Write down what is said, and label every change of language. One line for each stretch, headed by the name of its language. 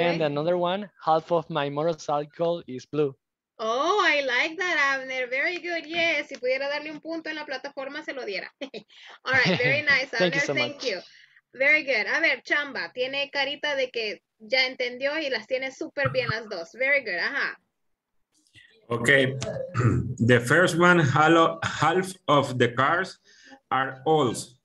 English: And another one, half of my motorcycle is blue. Oh, I like that, Abner. Very good.
Spanish: Yes, si pudiera darle un punto en la plataforma, se lo diera.
English: All right, very nice, Abner. Thank you. Very good.
Spanish: A ver, Chamba, tiene carita de que ya entendió y las tiene súper bien las dos.
English: Very good, ajá. Okay, the first one, half of the cars are old.